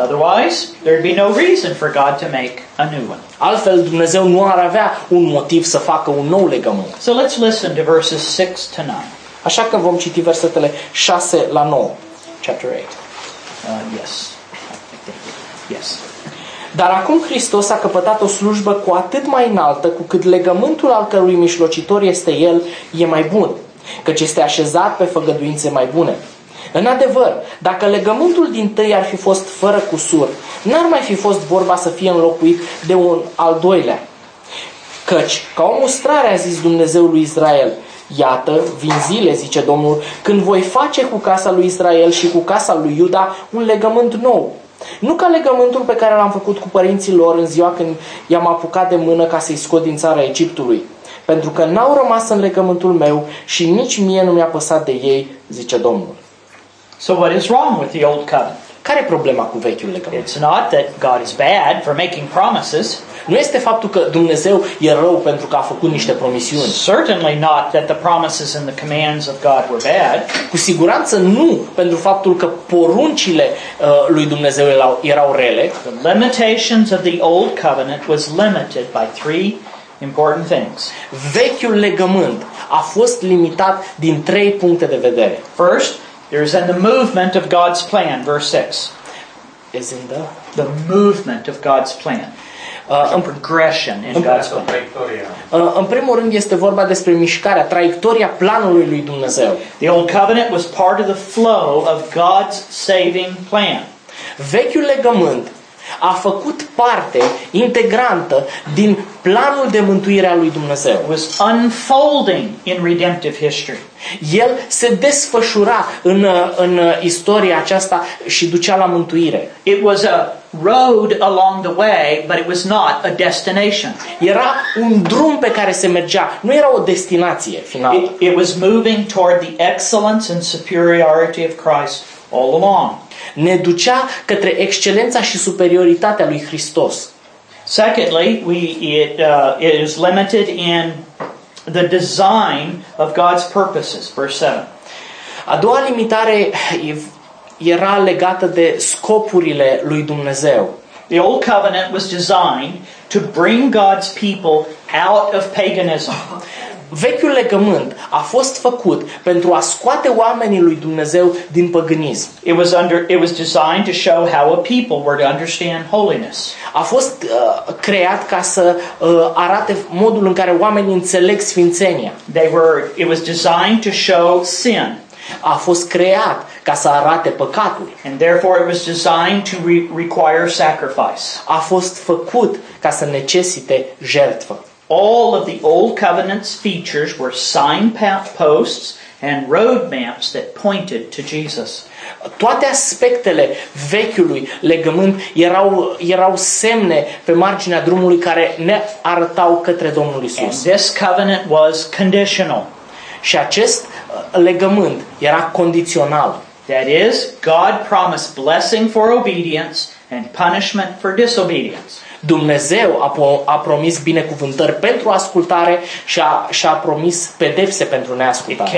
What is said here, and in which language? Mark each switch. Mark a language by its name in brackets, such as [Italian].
[English] Otherwise, there'd be no reason for God to make a new one. [Romanian] Altfel Dumnezeu nu ar avea un motiv să facă un nou legământ. [English] So let's listen to verses 6 to 9. [Romanian] Așa că vom citi versetele 6 la 9. [English] Chapter 8. Yes. [Romanian] Dar acum Hristos a căpătat o slujbă cu atât mai înaltă cu cât legământul al cărui mijlocitor este El e mai bun, căci este așezat pe făgăduințe mai bune. În adevăr, dacă legământul dintâi ar fi fost fără cusur, n-ar mai fi fost vorba să fie înlocuit de un al doilea. Căci, ca o mustrare a zis Dumnezeul lui Israel, iată, vin zile, zice Domnul, când voi face cu casa lui Israel și cu casa lui Iuda un legământ nou. Nu ca legământul pe care l-am făcut cu părinții lor în ziua când i-am apucat de mână ca să-i scot din țara Egiptului. Pentru că n-au rămas în legământul meu și nici mie nu mi-a păsat de ei, zice Domnul. [English] So what is wrong with the old covenant? [Romanian] Care e problema cu vechiul legământ? [English] It's not that God is bad for making promises. [Romanian] Nu este faptul că Dumnezeu e rău pentru că a făcut niște promisiuni. [English] Certainly not that the promises and the commands of God were bad. [Romanian] Cu siguranță nu pentru faptul că poruncile lui Dumnezeu erau rele. [English] The limitations of the old covenant was limited by three important things. [Romanian] Vechiul legământ a fost limitat din trei puncte de vedere. [English] First, there is in the movement of God's plan, verse 6. Is in the movement of God's plan. Progression in God's plan. [Romanian] În primul rând este vorba despre mișcarea, traiectoria planului lui Dumnezeu. [English] The old covenant was part of the flow of God's saving plan. [Romanian] Vechiul legământ a făcut parte integrantă din planul de mântuire a lui Dumnezeu. [English] It was unfolding in redemptive history. [Romanian] El se desfășura în istoria aceasta și ducea la mântuire. [English] It was a road along the way, but it was not a destination. [Romanian] Era un drum pe care se mergea, nu era o destinație finală. [English] It was moving toward the excellence and superiority of Christ all along. [Romanian] Ne ducea către excelența și superioritatea lui Hristos. [English] Secondly, it is limited in the design of God's purposes, verse 7. [Romanian] A doua limitare era legată de scopurile lui Dumnezeu. [English] The old covenant was designed to bring God's people out of paganism. [Romanian] Vechiul legământ a fost făcut pentru a scoate oamenii lui Dumnezeu din păgânism. [English] It was designed to show how a people were to understand holiness. [Romanian] A fost creat ca să arate modul în care oamenii înțeleg sfințenia. [English] It was designed to show sin. [Romanian] A fost creat ca să arate păcatul. [English] And therefore it was designed to require sacrifice. [Romanian] A fost făcut ca să necesite jertfă. [English] All of the old covenant's features were signposts and road maps that pointed to Jesus. [Romanian] Toate aspectele vechiului legământ erau semne pe marginea drumului care ne arătau către Domnul Isus. [English] And this covenant was conditional. [Romanian] Și acest legământ era condițional. [English] That is, God promised blessing for obedience and punishment for disobedience. [Romanian] Dumnezeu a promis binecuvântări pentru ascultare și a promis pedepse pentru neascultare.